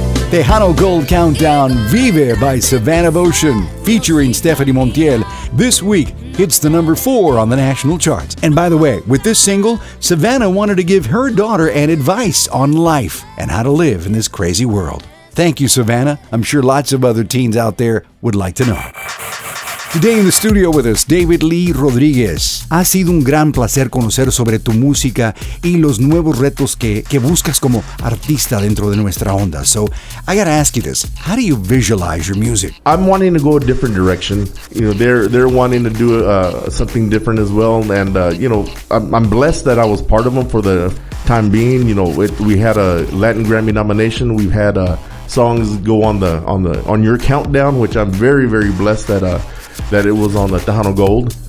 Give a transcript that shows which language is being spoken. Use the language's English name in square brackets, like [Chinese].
[English] Tejano Gold Countdown, Vive by Savannah Ocean, featuring Stephanie Montiel, this week hits the number 4 on the national charts. And by the way, with this single, Savannah wanted to give her daughter an advice on life and how to live in this crazy world. Thank you, Savannah. I'm sure lots of other teens out there would like to know. Today in the studio with us, David Lee Rodriguez. [Spanish] Ha sido un gran placer conocer sobre tu música y los nuevos retos que buscas como artista dentro de nuestra onda. [English] So, I gotta ask you this. How do you visualize your music? I'm wanting to go a different direction. You know, they're wanting to do something different as well. And, you know, I'm blessed that I was part of them for the time being. You know, we had a Latin Grammy nomination. We've had songs go on your countdown, which I'm very, very blessed that it was on the Tejano Gold.